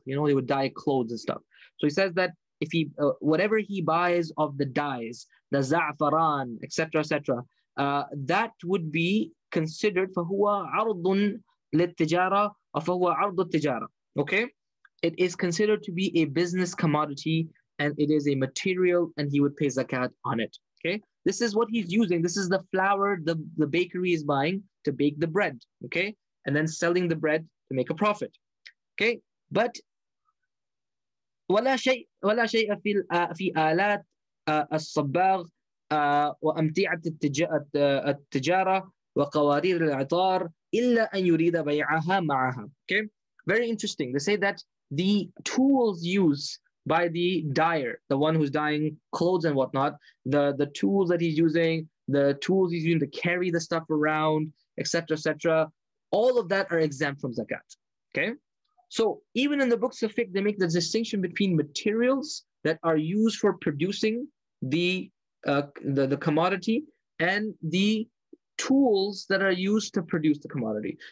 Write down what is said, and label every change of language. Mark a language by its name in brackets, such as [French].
[English] You know, they would dye clothes and stuff. So he says that if he whatever he buys of the dyes, the za'faran, etc., etc., that would be considered [Arabic] فَهُوَ عَرْضٌ لِلْتِجَارَةِ فَهُوَ عَرْضُ التِجَارَةِ. [English] Okay, it is considered to be a business commodity and it is a material, and he would pay zakat on it. Okay, this is what he's using. This is the flour the bakery is buying to bake the bread. Okay, and then selling the bread to make a profit. Okay, but [Arabic] وَلَا شَيْءَ فِي آلَاتِ الصَّبَّاغِ وَأَمْتِعَةِ التِّجَارَةِ وَقَوَارِيرِ الْعِطَارِ إِلَّا أَن يُرِيدَ بَيْعَهَا مَعَهَا. [English] Okay, very interesting. They say that the tools used by the dyer, the one who's dyeing clothes and whatnot, the tools that he's using, the tools he's using to carry the stuff around, etc., etc., all of that are exempt from zakat. Okay, so even in the books of fiqh, they make the distinction between materials that are used for producing the commodity and the tools that are used to produce the commodity.